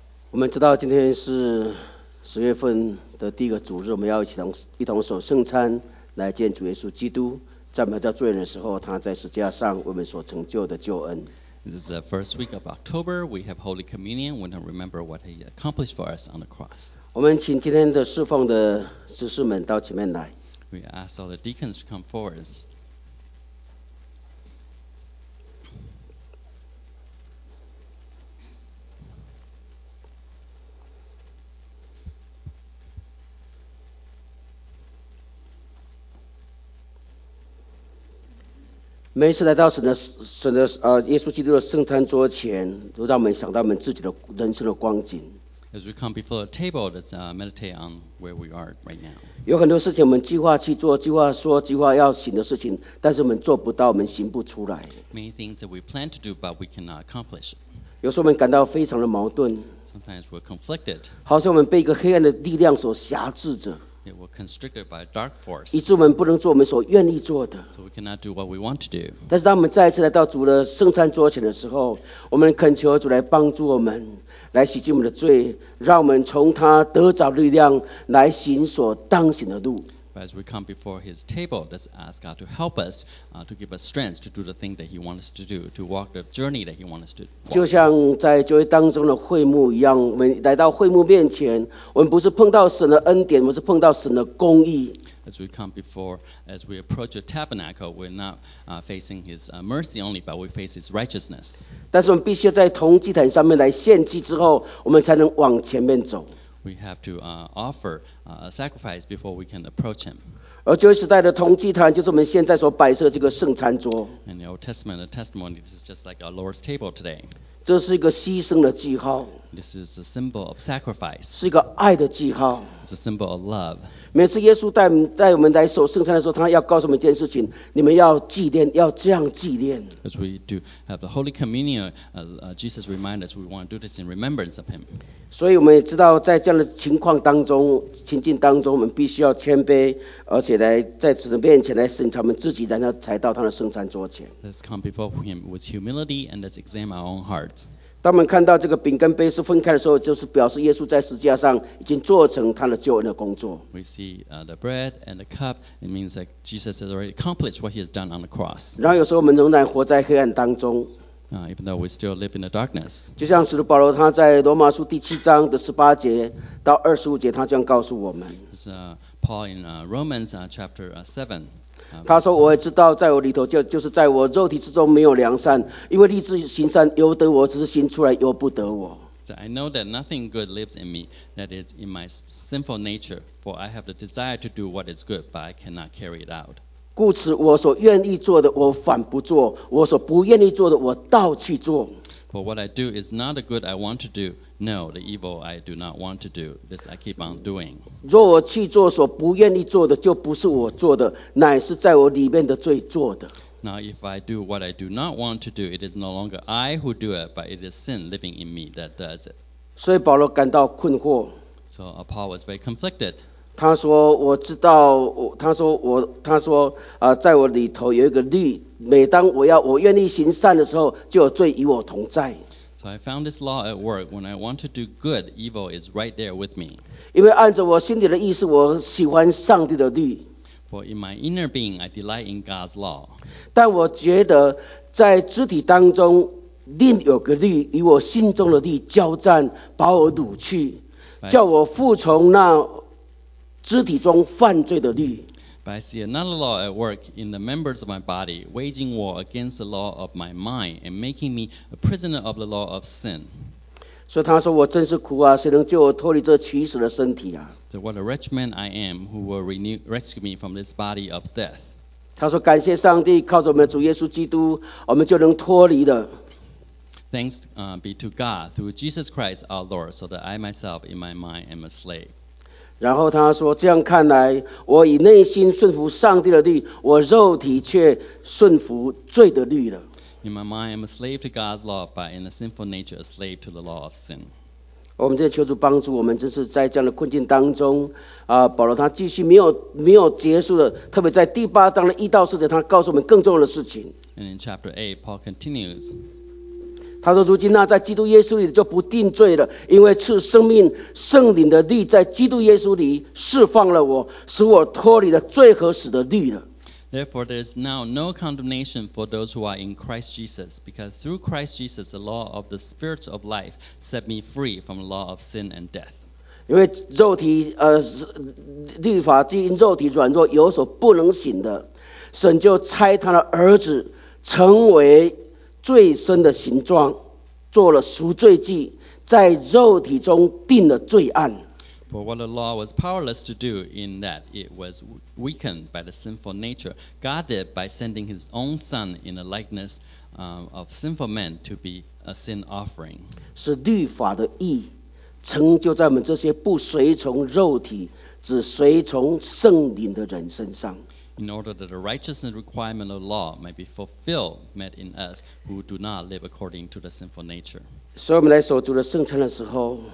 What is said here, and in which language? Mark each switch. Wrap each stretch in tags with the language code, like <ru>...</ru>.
<zh>我们知道今天是十月份的第一个主日，我们要一同守圣餐，来见主耶稣基督。在我们在罪人的时候，他在十字架上为我们所成就的救恩。</zh> <en>This is the first week of October. We have Holy Communion. We don't remember what He accomplished for us on the cross.</en> <zh>我们请今天的侍奉的执事们到前面来。</zh> <en>We ask all the deacons to come forward.</en> <zh>每次来到神的耶稣基督的圣餐桌前，都让我们想到我们自己的人生的光景。</zh> <en>As we come before the table, let's meditate on where we are right now.</en> <zh>有很多事情我们计划去做，计划说，计划要行的事情，但是我们做不到，我们行不出来。</zh> <en>Many things that we plan to do, but we cannot accomplish.</en> <zh>有时候我们感到非常的矛盾。</zh> <en>Sometimes we're conflicted.</en> <zh>好像我们被一个黑暗的力量所辖制着。</zh> <en>It was constricted by a dark force.</en> <zh>以致我们不能做我们所愿意做的。</zh> <en>So we cannot do what we want to do.</en> <zh>但是当我们再一次来到主的圣餐桌前的时候，我们恳求主来帮助我们，来洗净我们的罪，让我们从他得着力量来行所当行的路。</zh> <en>As we come before His table, let's ask God to help us, to give us strength to do the thing that He wants us to do, to walk the journey that He wants us to walk.</en> <zh>就像在教会当中的会幕一样，我们来到会幕面前，我们不是碰到神的恩典，我们是碰到神的公义。</zh> <en>As we come before, as we approach the tabernacle, we're not facing His mercy only, but we face His righteousness.</en> <zh>但是我们必须在同祭坛上面来献祭之后，我们才能往前面走。</zh> <en>We have to offer a sacrifice before we can approach Him.</en> <zh>而旧约时代的同祭坛就是我们现在所摆设这个圣餐桌。</zh> <en>In the Old Testament, the testimony is just like our Lord's table today.</en> <zh>这是一个牺牲的记号。</zh> <en>This is a symbol of sacrifice.</en> <zh>是一个爱的记号。</zh> <en>It's a symbol of love.</en> <zh>每次耶稣带我们来守圣餐的时候，他要告诉我们一件事情：你们要祭奠，要这样祭奠。</zh> <en>As we do have the Holy Communion, Jesus reminds us we want to do this in remembrance of Him.</en> <zh>所以我们也知道，在这样的情况当中、情境当中，我们必须要谦卑，而且来在主的面前来审查我们自己，然后才到他的圣餐桌前。</zh> <en>Let's come before Him with humility and let's examine our own hearts.</en> <zh>当我们看到这个饼跟杯是分开的时候，就是表示耶稣在十字架上已经做成他的救恩的工作。</zh> <en>We see the bread and the cup. It means that Jesus has already accomplished what He has done on the cross.</en> <zh>然后有时候我们仍然活在黑暗当中。</zh> <en>Even though we still live in the darkness.</en> <zh>就像使徒保罗他在罗马书第七章的十八节到二十五节，他这样告诉我们。</zh> <en>It's Paul in Romans chapter 7.</en> <zh>他说：“我也知道，在我里头就是在我肉体之中没有良善，因为立志行善由得我，只是行出来由不得我。”</zh> <en>So I know that nothing good lives in me, that is in my sinful nature, for I have the desire to do what is good, but I cannot carry it out.</en> <zh>故此我所愿意做的我反不做，我所不愿意做的我倒去做。</zh> <en>For what I do is not the good I want to do. No, the evil I do not want to do. This I keep on doing.</en> <zh>若我去做所不愿意做的，就不是我做的，乃是在我里面的罪做的。</zh> <en>Now if I do what I do not want to do, it is no longer I who do it, but it is sin living in me that does it.</en> <zh>所以保罗感到困惑。</zh> <en>So Paul was very conflicted.</en> <zh>他说：“我知道，他说，在我里头有一个律。每当我愿意行善的时候，就有罪与我同在。”</zh> <en>So I found this law at work. When I want to do good, evil is right there with me.</en> <zh>因为按着我心里的意思，我喜欢上帝的律。</zh> <en>For in my inner being, I delight in God's law.</en> <zh>但我觉得在肢体当中，另有个律与我心中的律交战，把我掳去，叫我服从那。” 肢体中犯罪的律。</zh> <en>But I see another law at work in the members of my body, waging war against the law of my mind and making me a prisoner of the law of sin.</en> <zh>所以他说：“我真是苦啊，谁能救我脱离这取死的身体啊？”</zh> <en>So what a wretched man I am, who will rescue me from this body of death?</en> <zh>他说：“感谢上帝，靠着我们主耶稣基督，我们就能脱离了。”</zh> <en>Thanks be to God through Jesus Christ our Lord, so that I myself in my mind am a slave.</en> <zh>然后他说：“这样看来，我以内心顺服上帝的律，我肉体却顺服罪的律了。”</zh> <en>In my mind, I'm a slave to God's law, but in a sinful nature, a slave to the law of sin.</en> <zh>我们真的求主帮助我们，真是在这样的困境当中啊，保罗他继续没有结束的，特别在第八章的一到四节，他告诉我们更重要的事情。</zh> <en>And in chapter 8, Paul continues.</en> <zh>他说：“如今那在基督耶稣里就不定罪了，因为赐生命圣灵的律在基督耶稣里释放了我，使我脱离了罪和死的律了。”</zh> <en>Therefore, there is now no condemnation for those who are in Christ Jesus, because through Christ Jesus, the law of the Spirit of life set me free from the law of sin and death.</en> <zh>因为肉体律法基因肉体软弱有所不能行的，神就差他的儿子成为罪身的形状，做了赎罪祭，在肉体中定了罪案。</zh> <en>For what the law was powerless to do, in that it was weakened by the sinful nature, God did by sending His own Son in the likness of sinful men to be a sin offering.</en> <zh>是律法的义，成就在我们这些不随从肉体，只随从圣灵的人身上。</zh> <en>In order that the righteousness requirement of the law might be fulfilled, met in us who do not live according to the sinful nature.</en> <zh>所以我们来守住了圣餐的时候，</zh>